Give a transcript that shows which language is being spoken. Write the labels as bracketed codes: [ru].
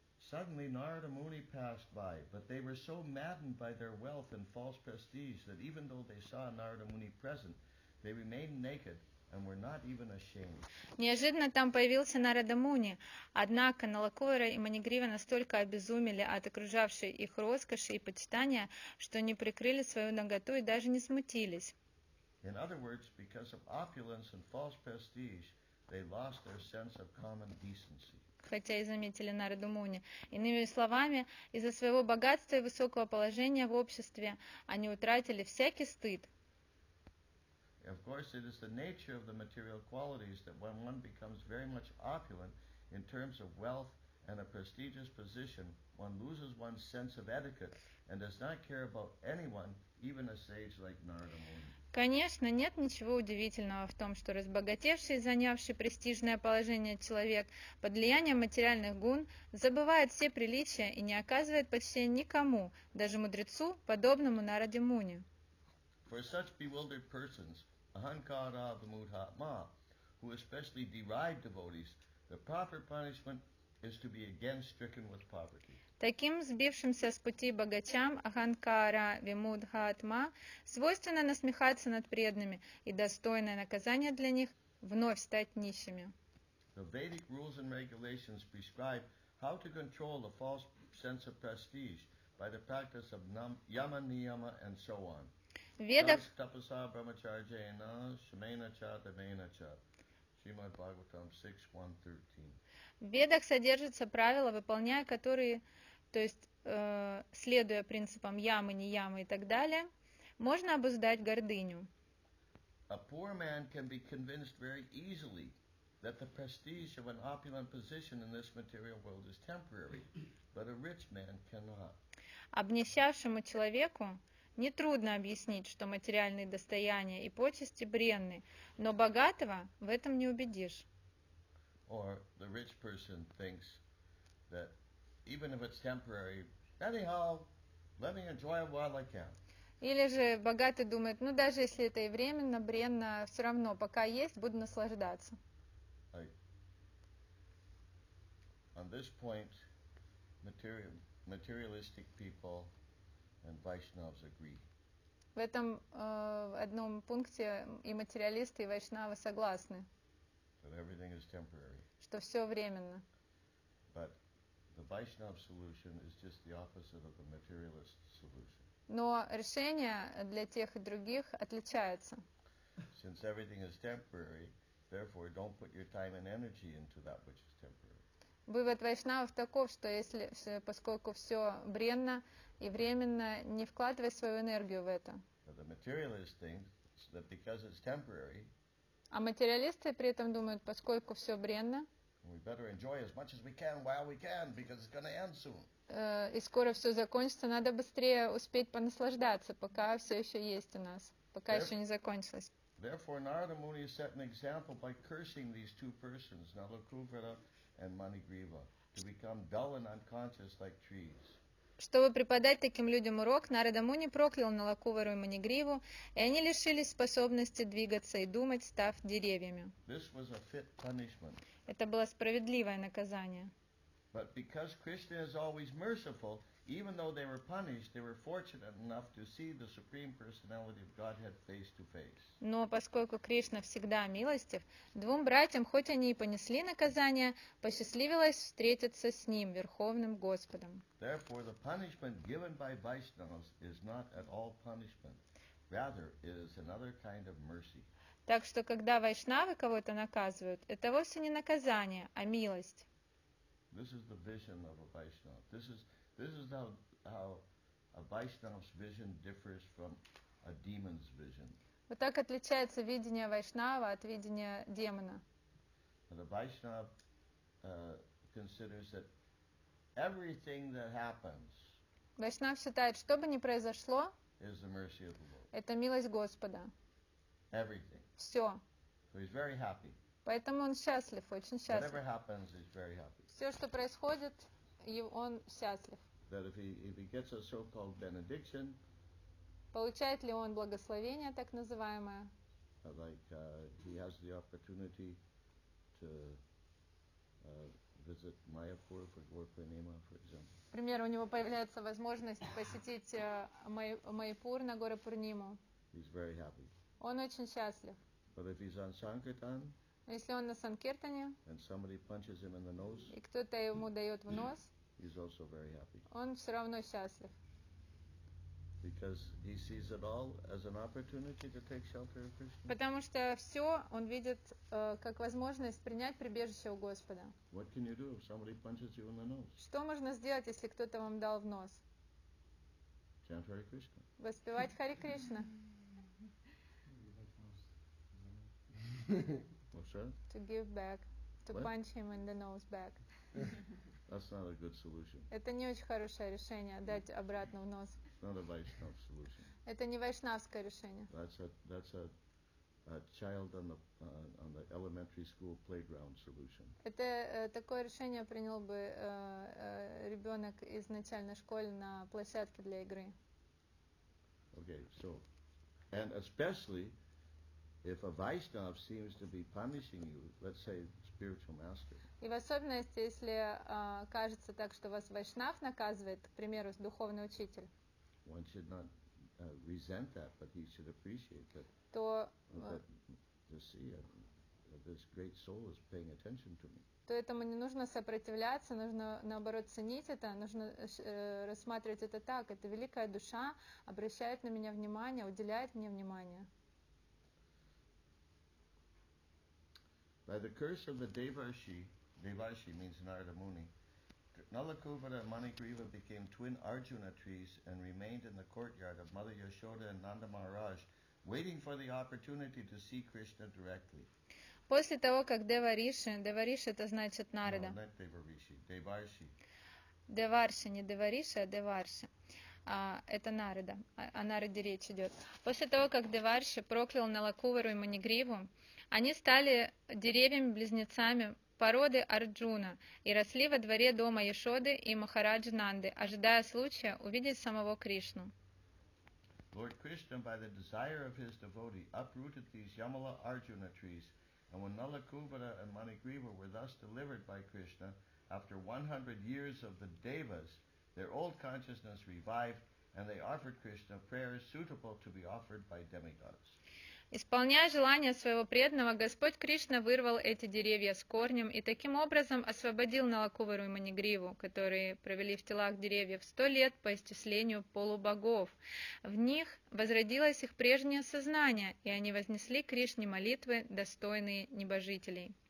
[en] Suddenly Narada Muni passed by, but they were so maddened by their wealth and false prestige that even though they saw Narada Muni present, they remained naked and were not even ashamed. [ru] Неожиданно там появился Нарада Муни, однако Налакувара и Манигрива настолько обезумели от окружавшей их роскоши и почитания, что не прикрыли свою наготу и даже не смутились. [en] In other words, because of opulence and false prestige, they lost their sense of common decency. [ru] Хотя и заметили Нараду Муни. Иными словами, из-за своего богатства и высокого положения в обществе они утратили всякий стыд. [en] Of course, it is the nature of the material qualities that when one becomes very much opulent in terms of wealth and a prestigious position, one loses one's sense of etiquette and does not care about anyone, even a sage like Narada Muni. [ru] Конечно, нет ничего удивительного в том, что разбогатевший и занявший престижное положение человек под влиянием материальных гун забывает все приличия и не оказывает почтения никому, даже мудрецу, подобному Нараде Муни. [en] For such bewildered persons, ahankara abhimudhatma, who especially deride devotees, the proper punishment is to be again stricken with poverty. [ru] Таким сбившимся с пути богачам аханкара вимудха атма свойственно насмехаться над преданными, и достойное наказание для них вновь стать нищими. [en] The Vedic rules and regulations prescribe how to control the false sense of prestige, by the practice of Yama Niyama and so on. [ru] Ведах [sa] Тапаса Брахмачарьяна Шмейна Ча Дамейна Ча. [ru] Шримад Бхагаватам 6.1.13. В Ведах содержатся правила, выполняя которые, то есть следуя принципам ямы, ниямы и так далее, можно обуздать гордыню. [en] A poor man can be convinced very easily that the prestige of an opulent position in this material world is temporary, but a rich man cannot. [ru] Обнищавшему человеку нетрудно объяснить, что материальные достояния и почести бренны, но богатого в этом не убедишь. [en] Or the rich person thinks that even if it's temporary, anyhow, let me enjoy it while I can. [ru] Или же богатый думает, ну даже если это и временно, бренно, все равно, пока есть, буду наслаждаться. [en] On this point, materialistic people and Vaishnavas agree. [ru] В этом одном пункте и материалисты, и вайшнавы согласны, that everything is temporary. Что все временно. [en] But the Vaishnava solution is just the opposite of the materialist solution. [ru] Но решение для тех и других отличается. [en] Since everything is temporary, therefore don't put your time and energy into that which is temporary. [ru] Вывод вайшнавов таков, что если, поскольку все бренно и временно, не вкладывай свою энергию в это. [en] The materialist thinks that because it's temporary, [ru] а материалисты при этом думают, поскольку все бренно, [en] we better enjoy as much as we can while we can, because it's going to end soon. [ru] И скоро все закончится, надо быстрее успеть понаслаждаться, пока все еще есть у нас, пока еще не закончилось. [en] Therefore, Narada Muni set an example by cursing these two persons, Nalakuvara and Manigriva, to become dull and unconscious like trees. [ru] Чтобы преподать таким людям урок, Нарада Муни проклял Налакувару и Манигриву, и они лишились способности двигаться и думать, став деревьями. [en] This was a fit punishment. [ru] Это было справедливое наказание. [en] But because Krishna is always merciful, even though they were punished, they were fortunate enough to see the Supreme Personality of Godhead face to face. [ru] Но поскольку Кришна всегда милостив, двум братьям, хоть они и понесли наказание, посчастливилось встретиться с Ним, Верховным Господом. [en] Therefore, the punishment given by Vaishnavas is not at all punishment. Rather, it is another kind of mercy. [ru] Так что, когда вайшнавы кого-то наказывают, это вовсе не наказание, а милость. [en] This is the vision of a Vaishnava. This is how a Vaishnava's vision differs from a demon's vision. [ru] Вот так отличается видение вайшнава от видения демона. [en] The Vaishnava considers that everything that happens. [ru] Вайшнав считает, что бы ни произошло, [en] is the mercy of the Lord. [ru] Это милость Господа. [en] Everything. [ru] Все. [en] So he's very happy. [ru] Поэтому он счастлив, очень счастлив. [en] Whatever happens, he's very happy. [ru] Все, что происходит, он счастлив. [en] That if he gets a so-called benediction, [ru] получает ли он благословение, так называемое? [en] Like he has the opportunity to visit Mayapur for Gorpanema, for example. [ru] Например, у него появляется возможность посетить Майпур на горе Пурниму. [en] He's very happy. [ru] Он очень счастлив. [en] But if he's on Sankirtan, [ru] если он на санкиртане, [en] and somebody punches him in the nose, [ru] и кто-то ему дает в нос, [en] he's also very happy. [ru] Он все равно счастлив. [en] Because he sees it all as an opportunity to take shelter of Krishna. [ru] Потому что все он видит как возможность принять прибежище у Господа. [en] What can you do if somebody punches you in the nose? [ru] Что можно сделать, если кто-то вам дал в нос? [en] Chant Hare Krishna. [ru] Воспевать Хари Кришна. [en] To give back, to what? Punch him in the nose back. That's not a good solution. [ru] Это не очень хорошее решение, дать обратно в нос. [en] It's not a Vaishnava solution. [ru] Это не вайшнавское решение. [en] That's a child on the elementary school playground solution. [ru] Это такое решение принял бы ребенок из начальной школы на площадке для игры. [en] Okay, so, and especially if a Vaishnava seems to be punishing you, let's say spiritual master. [ru] И в особенности, если кажется так, что вас вайшнав наказывает, к примеру, духовный учитель. [en] One should not resent that, but he should appreciate that. [ru] То [en] this great soul is paying attention to me. [ru] то этому не нужно сопротивляться, нужно наоборот ценить это, нужно рассматривать это так. Это великая душа обращает на меня внимание, уделяет мне внимание. [en] By the curse of the Devarshi, Devarshi means Narada Muni, Nalakuvara and Manigriva became twin Arjuna trees and remained in the courtyard of Mother Yashoda and Nanda Maharaj, waiting for the opportunity to see Krishna directly. [ru] После того, как Деварши, Деварши это значит Нарада. [en] No, not Деварши, Деварши. [ru] Деварши, не Деварши, а Деварши. Это Нарада, о Нараде речь идет. После того, как Деварши проклял Налакуверу и Манигриву, они стали деревьями-близнецами породы Арджуна и росли во дворе дома Яшоды и Махараджи Нанды, ожидая случая увидеть самого Кришну. [en] Lord Krishna, by the desire of his devotee, uprooted these Yamala Arjuna trees, and when Nalakuvara and Manigriva were thus delivered by Krishna, after 100 years of the Devas, their old consciousness revived, and they offered Krishna prayers suitable to be offered by demigods. [ru] Исполняя желание своего преданного, Господь Кришна вырвал эти деревья с корнем и таким образом освободил Налакуверу и Манигриву, которые провели в телах деревьев 100 лет по исчислению полубогов. В них возродилось их прежнее сознание, и они вознесли Кришне молитвы, достойные небожителей.